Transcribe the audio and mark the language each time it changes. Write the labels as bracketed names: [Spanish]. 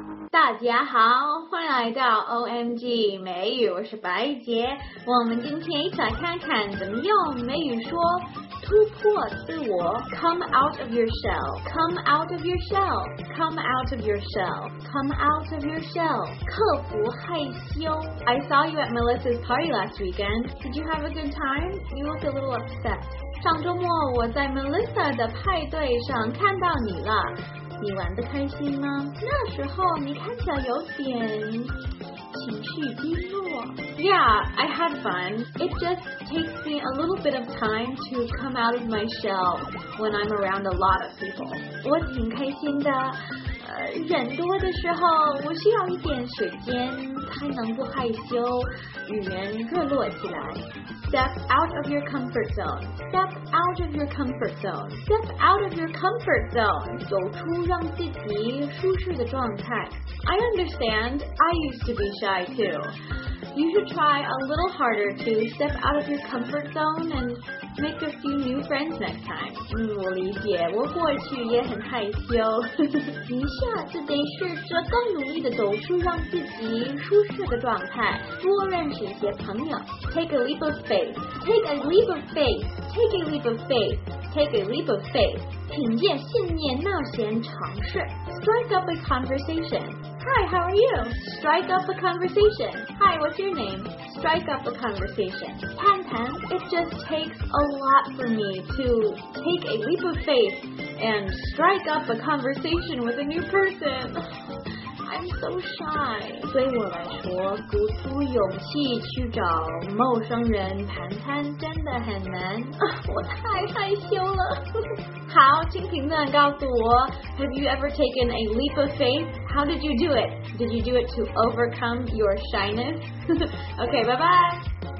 [Chinese] 大家好，欢迎来到 OMG 美语，我是白洁。我们今天一起来看看怎么用美语说突破自我。 [English] Come out of yourself, come out of yourself, come out of yourself, come out of yourself. [Chinese] 克服害羞。 [English] I saw you at Melissa's party last weekend. Did you have a good time? You look a little upset. [Chinese] 上周末我在 Melissa 的派对上看到你了。你玩得开心吗？那时候你看起来有点情绪低落。 [English] Yeah, I had fun. It just takes me a little bit of time to come out of my shell when I'm around a lot of people. [Chinese] 我挺开心的，人多的时候我需要一点时间才能不害羞，与人热络起来。 [English] Step out of your comfort zone. Step out of your comfort zone. Step out of your comfort zone. [Chinese] 走出让自己舒适的状态。 [English] I understand. I used to be shy too. You should try a little harder to step out of your comfort zone and make a few new friends next time. [Chinese] 我理解，我过去也很害羞。你下次得试着更努力地走出让自己舒适的状态，多认识一些朋友。 [English] Take a leap of faith. Take a leap of faith. Take a leap of faith. Take a leap of faith. [Chinese] 凭借信念冒险尝试。 [English] Strike up a conversation. Hi, how are you? Strike up a conversation. Hi, what's your name? Strike up a conversation. [Chinese] 谈谈 [English] It just takes a lot for me to take a leap of faith and strike up a conversation with a new person. I'm so shy. [Chinese] 对我来说，鼓足勇气去找陌生人谈谈真的很难。我太害羞了。好，请评论告诉我 [English] ，Have you ever taken a leap of faith? How did you do it? Did you do it to overcome your shyness? Okay, bye bye.